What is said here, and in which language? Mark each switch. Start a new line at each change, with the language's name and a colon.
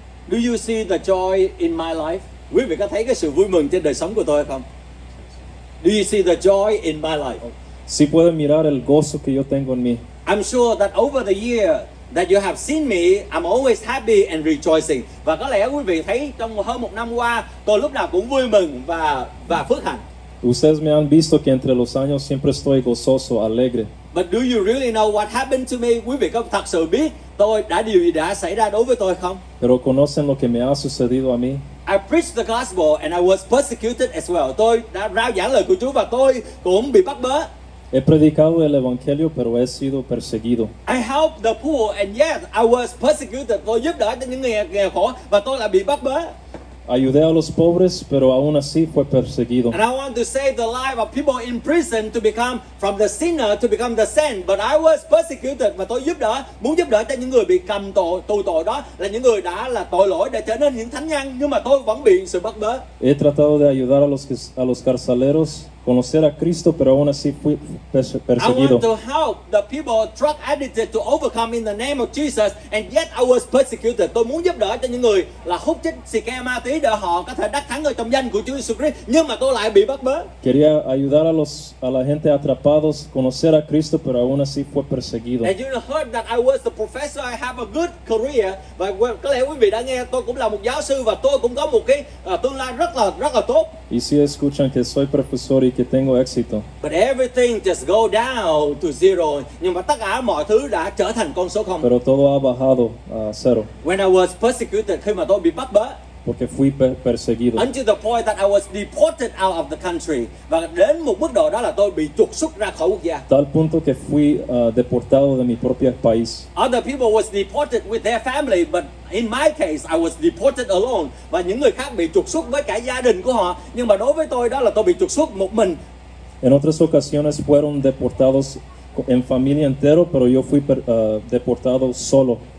English: Do you see the joy in my life?
Vietnamese: Quý vị có thấy cái sự vui mừng trên đời sống của tôi không?
English: Do you see the joy in my life?
Spanish: Si pueden mirar el gozo que yo tengo en mí.
English: I'm sure that over the year that you have seen me, I'm always happy and rejoicing.
Vietnamese: Và có lẽ quý vị thấy trong hơn một năm qua, tôi lúc nào cũng vui mừng và phước hạnh.
Spanish: Ustedes me han visto que entre los años siempre estoy gozoso, alegre.
English: But do you really know what happened to me?
Vietnamese: Quý vị có thật sự biết tôi đã điều gì đã xảy ra đối với tôi không?
Spanish: Pero conocen lo que me ha sucedido a mí.
English: I preached the gospel and I was persecuted as well.
Vietnamese: Tôi đã rao giảng lời của Chúa và tôi cũng bị bắt bớ.
Spanish: He predicado el evangelio pero he sido perseguido.
English: I helped the poor and yet I was persecuted.
Vietnamese: Tôi giúp đỡ những người nghèo khổ và tôi lại bị bắt bớ.
Spanish: Ayudé a los pobres, pero aún así fue perseguido.
English: And I want to save the life of people in prison to become from the sinner to become the saint. But I was persecuted.
Vietnamese: Và tôi muốn giúp đỡ cho những người bị cầm tù tội đó là những người đã là tội lỗi để trở nên những thánh nhân. Nhưng mà tôi vẫn bị sự bắt bớ.
Spanish: He tratado de ayudar a los carceleros conocer a Cristo, pero aún así fui perseguido.
English: I want to help the people drug addicted to overcome in the name of Jesus, and yet I was persecuted.
Vietnamese: Tôi muốn giúp đỡ cho những người là hút chích xì ke ma túy để họ có thể đắc thắng ở trong danh của Chúa Jesus Christ, nhưng mà tôi lại bị bắt bớ.
Spanish: Quería ayudar a la gente atrapados conocer a Cristo, pero aún así fue perseguido.
English: And you heard that I was the professor. I have a good career.
Vietnamese: Và có lẽ quý vị đã nghe tôi cũng là một giáo sư và tôi cũng có một cái tương lai rất là tốt.
Spanish: Y si escuchan que soy profesor y que tengo éxito.
English: But everything just go down to zero.
Vietnamese: Nhưng mà tất cả mọi thứ đã trở thành con số không.
Spanish: Pero todo ha bajado a cero.
English: When I was persecuted,
Vietnamese: khi mà tôi bị bắt bớ.
Spanish: Porque fui perseguido.
English: Until the point that I was deported out of the country.
Vietnamese: Và đến một mức độ đó là tôi bị trục xuất ra khỏi quốc gia.
Spanish: Tal punto que fui deportado de mi propio país.
English: Other people was deported with their family, but in my case, I was deported alone.
Vietnamese: Và những người khác bị trục xuất với cả gia đình của họ. Nhưng mà đối với tôi đó là tôi bị trục xuất một mình.
Spanish: En otras ocasiones fueron deportados en familia entero, pero yo fui deportado solo.